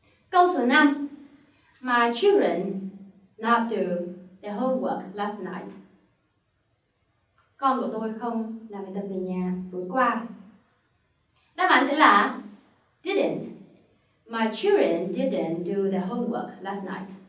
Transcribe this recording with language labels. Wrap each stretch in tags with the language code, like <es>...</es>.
<vi>Câu số 5,</vi> <en>my children not do their homework last night.</en> <vi>Con của tôi không làm bài tập về nhà tối qua. Đáp án sẽ là didn't.</vi> <en>My children didn't do their homework last night.</en>